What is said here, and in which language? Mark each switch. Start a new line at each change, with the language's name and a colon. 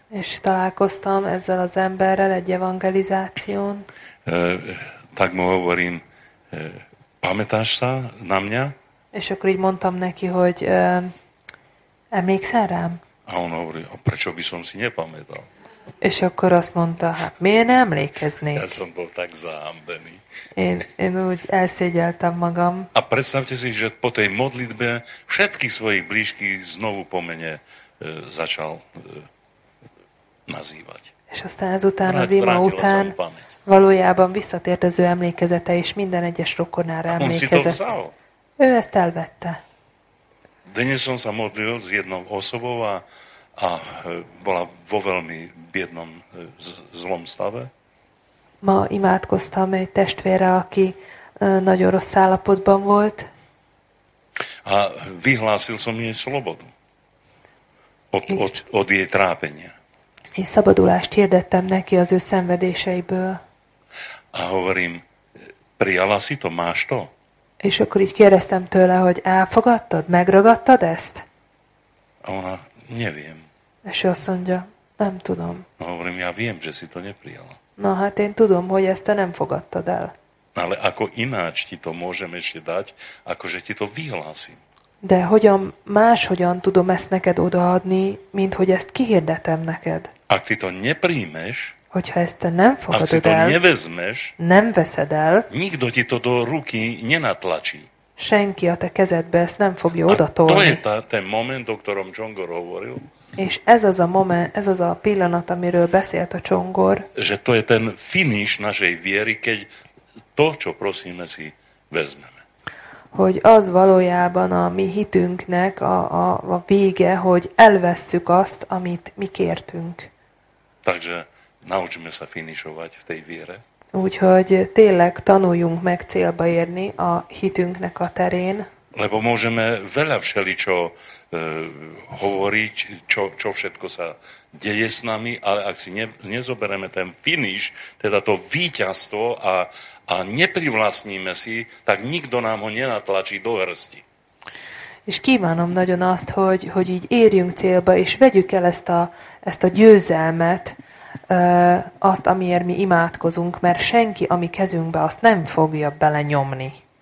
Hungarian: És találkoztam ezzel az emberrel egy evangelizáción.
Slovak: Tak mu hovorím, pamätáš sa na mňa?
Hungarian: És akkor így mondtam neki, hogy emlékszel rám?
Slovak: A on hovorí, a prečo by som si nepamätal?
Hungarian: És akkor azt mondta, hát miért ne emlékeznék?
Slovak: Ja som bol tak zahambený.
Hungarian: Én úgy elszégyeltem magam.
Slovak: A predstavte si, že po tej modlitbe všetky svojich blížky znovu po mene začal nazývať.
Hungarian: És aztán ezután az ima után valójában visszatért az ő emlékezete, és minden egyes rokonára emlékezett. Ő ezt elvette.
Slovak: Dnes som sa modlil s jednou osobou a bola vo veľmi biednom zlom stave.
Hungarian: Ma imádkoztam egy testvére, aki nagyon rossz állapotban volt.
Slovak: a vyhlásil som jej slobodu od jej trápenia.
Hungarian: Én szabadulást hirdettem neki az ő szenvedéseiből.
Slovak: A hovorím, prijala si to, máš to?
Hungarian: És akkor így kérdeztem tőle, hogy elfogadtad, megragadtad ezt?
Slovak: A ona, neviem.
Hungarian: És ő azt mondja, nem tudom.
Slovak: A hovorím, ja viem, že si to neprijala.
Hungarian: Na hát én tudom, hogy ezt te nem fogadtad el.
Slovak: Ale ako ináč ti to môžem ešte dať, akože ti to vyhlásim.
Hungarian: De hogyan, máshogyan tudom ezt neked odaadni, mint hogy ezt kihirdetem neked.
Slovak: Ak ty to neprímeš,
Hungarian: hogyha ezt te nem fogadod el,
Slovak: nevezmeš,
Hungarian: nem veszed el,
Slovak: nikto ti to do ruky nenatlačí.
Hungarian: Senki a te kezedbe ezt nem fogja odatolni.
Slovak: A to je ten moment, o ktorom Csongor hovoril.
Hungarian: És ez az a moment, ez az a pillanat, amiről beszélt a Csongor.
Slovak: Že to je ten finish našej viery, keď to, čo prosíme si, vezme.
Hungarian: Hogy az valójában a mi hitünknek a vége, hogy elvesszük azt, amit mi kértünk.
Slovak: Takže naučíme sa finišovať v tej viere.
Hungarian: Úgyhogy tényleg tanuljunk meg célba érni a hitünknek a terén.
Slovak: Lebo môžeme veľa všeličo hovoriť, čo všetko sa deje s nami, ale ak si nezobereme ten finiš, teda to víťazstvo a neprivlastníme si, tak nikto nám ho nenatlačí do hrsti.
Hungarian: És kívánom nagyon azt, hogy így érjünk célba, és vegyük el ezt a győzelmet, azt, amiért mi imádkozunk, mert senki, ami kezünkbe, azt nem fogja belenyomni.